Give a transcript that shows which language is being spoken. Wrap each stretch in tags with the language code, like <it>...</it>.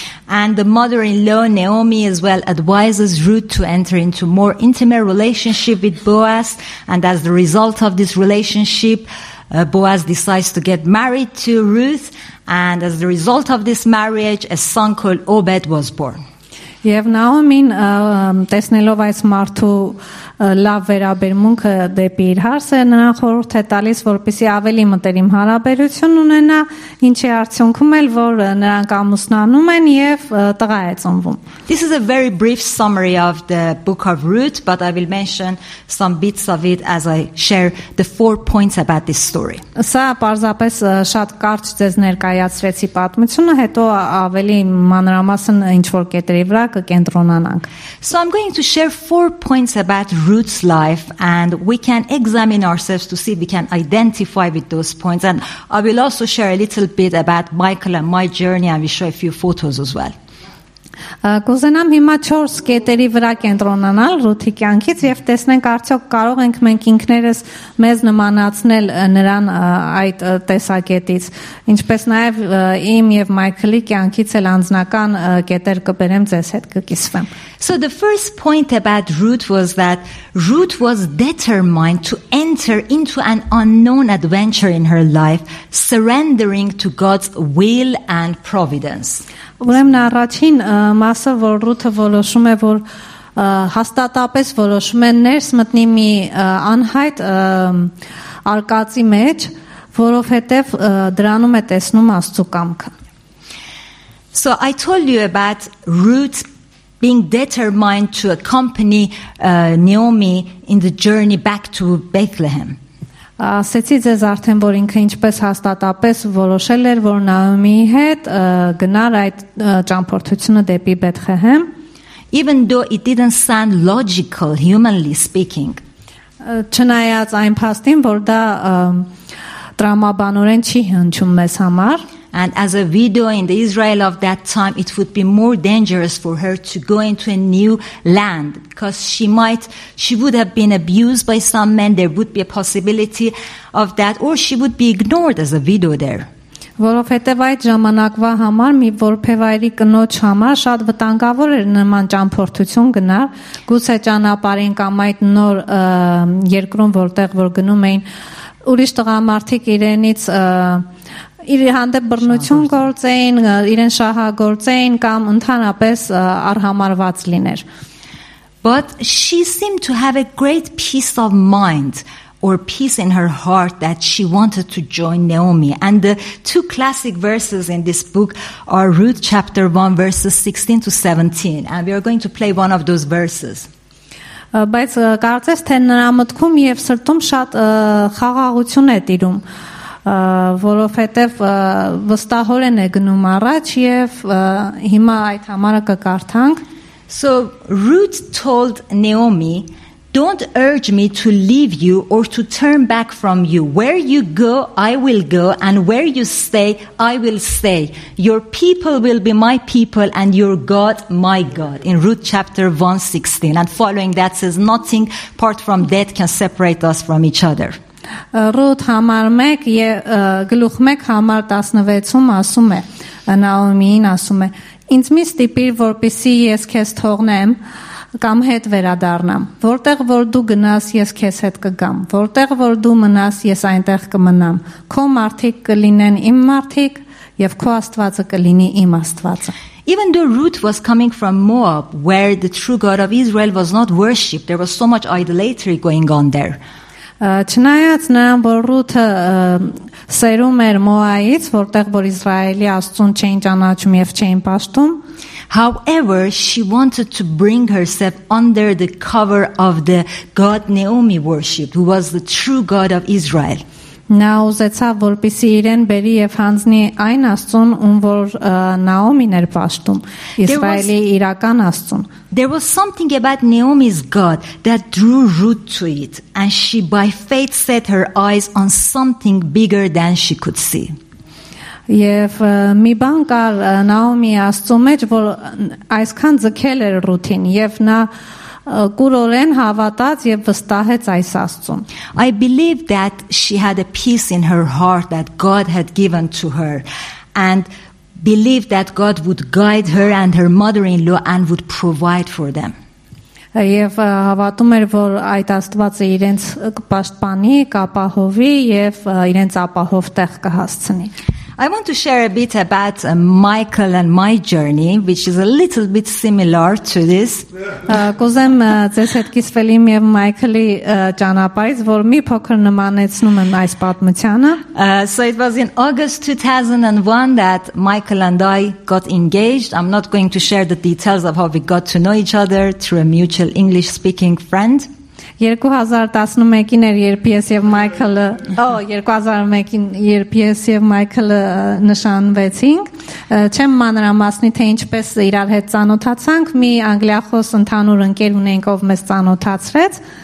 <en>And the mother-in-law Naomi as well advises Ruth to enter into more intimate relationship with Boaz, and as the result of this relationship Boaz decides to get married to Ruth, and as the result of this marriage, a son called Obed was born.</en> <hy>Եվ Նաոմին տեսնելով այս մարդու լավ վերաբերմունքը դեպի իր հարսը, նրան խորհուրդ է տալիս, որպեսզի ավելի մտերիմ հարաբերություն ունենա, ինչի արդյունքում էլ որ նրանք ամուսնանում են եւ տղա է ծնվում։</hy> <en>This is a very brief summary of the book of Ruth, but I will mention some bits of it as I share the four points about this story.</en> <hy>Սա պարզապես շատ կարճ ձեզ ներկայացրեցի պատմությունը, հետո ավելի մանրամասն ինչ որ կետերի վրա կկենտրոնանանք։</hy> <en>So I'm going to share four points about Ruth's life, and we can examine ourselves to see if we can identify with those points. And I will also share a little bit about Michael and my journey, and we show a few photos as well.</en> <hy>Կուզենամ հիմա 4 կետերի վրա կենտրոնանալ Ռութի կյանքից եւ տեսնենք արդյոք կարող ենք մենք ինքներս մեզ նմանացնել նրան այդ տեսակետից, ինչպես նաեւ իմ եւ Մայքլի կյանքից էլ անձնական կետեր կբերեմ ձեզ հետ կկիսվեմ։</hy> <en>So the first point about Ruth was that Ruth was determined to enter into an unknown adventure in her life, surrendering to God's will and providence.</en> <hy>Ուրեմն առաջին մասը, որ Ռութը որոշում է, որ հաստատապես որոշում է ներս մտնել մի անհայտ արկածի մեջ, որովհետև դրանում է տեսնում Աստծո կամքը.</hy> <en>So I told you about Ruth being determined to accompany Naomi in the journey back to Bethlehem.</en> <hy>Ասեցի ձեզ արդեն, որ ինքը ինչպես հաստատապես որոշել էր, որ Նաոմի հետ գնար այդ ճամփորդությունը դեպի Բեթլեհեմ.</hy> <en>Even though it didn't sound logical, humanly speaking.</en> <hy>Չնայած այն փաստին, որ դա տրամաբանորեն չի հնչում մեզ համար.</hy> <en>And as a widow in the Israel of that time, it would be more dangerous for her to go into a new land because she would have been abused by some men. There would be a possibility of that, or she would be ignored as a widow there.</en> <hy>Որովհետև այդ ժամանակվա համար մի որբե վայրի կնոջ համար շատ վտանգավոր էր նման ճամփորդություն գնալ, գուցե ճանապարհին կամ այդ նոր երկրում, որտեղ որ գնում էին ուրիշ տղամարդիկ իրենից իրհանդեպ բռնություն գործեին, իրեն շահագործեին կամ ընդհանրապես արհամարված լիներ.</hy> <en>But she seemed to have a great peace of mind or peace in her heart that she wanted to join Naomi. And the two classic verses in this book are Ruth chapter 1 verses 16 to 17. And we are going to play one of those verses.</en> <hy>Բայց կարծես թե նրա մտքում եւ սրտում շատ խաղաղություն է տիրում, որովհետեւ վստահորեն է գնում առաջ եւ հիմա այդ համարը կկարդանք.</hy> <en>So Ruth told Naomi, "Don't urge me to leave you or to turn back from you. Where you go, I will go, and where you stay, I will stay. Your people will be my people, and your God, my God." In Ruth chapter 1:16. And following that says, "Nothing apart from death can separate us from each other."</en> <hy>Ruth համար 1 եւ գլուխ 1 համար 16-ում ասում է, Նաոմին ասում է, «Ինձ մի ստիպիր, որպեսզի ես քեզ թողնեմ»։ Կամ հետ վերադառնամ։ Որտեղ որ դու գնաս, ես քեզ հետ կգամ։ Որտեղ որ դու մնաս, ես այնտեղ կմնամ։ Քո մարդիկ կլինեն իմ մարդիկ, եւ քո Աստվածը կլինի իմ Աստվածը։</hy> <en>Even though Ruth was coming from Moab, where the true God of Israel was not worshipped, there was so much idolatry going on there.</en> <hy>Չնայած նրան, որ Ruth-ը սերում էր Մոաբից, որտեղ որ Իսրայելի Աստծուն չէին ճանաչում եւ չէին պաշտում,</hy> <en>however, she wanted to bring herself under the cover of the God Naomi worshipped, who was the true God of Israel.</en> <hy>Նա ցավ որպեսի իրեն բերի եւ հանձնի այն Աստծուն, ում որ Նաոմին էր պաշտում, Իսրայելի իրական Աստծուն.</hy> <en>There was something about Naomi's God that drew Ruth to it, and she by faith set her eyes on something bigger than she could see.</en> <hy>Եվ մի բան կար Նաոմի Աստծո մեջ, որ այսքան ձգել էր Ռութին, եւ նա կուրորեն հավատաց եւ վստահեց այս Աստծուն.</hy> <en>I believe that she had a peace in her heart that God had given to her and believed that God would guide her and her mother-in-law and would provide for them.</en> <hy>Եվ հավատում էր, որ այդ Աստվածը իրենց կպաշտպանի, կապահովի եւ իրենց ապահով տեղ կհասցնի։</hy> <en>I want to share a bit about Michael and my journey, which is a little bit similar to this.</en> <hy>Կուզեմ ձեզ հետ կիսվել իմ եւ Մայքլի ճանապարհից, որ մի փոքր նմանեցնում եմ այս պատմությանը.</hy> <en>So it was in August 2001 that Michael and I got engaged. I'm not going to share the details of how we got to know each other through a mutual English speaking friend.</en> <hy>2011-ին էր, երբ ես եւ Մայքլը, 2001-ին, երբ ես եւ Մայքլը նշանվեցինք, չեմ մանրամասնի թե ինչպես իրար հետ ծանոթացանք, մի անգլիախոս ընդհանուր ընկեր ունենք, ով մեզ ծանոթացրեց։</hy>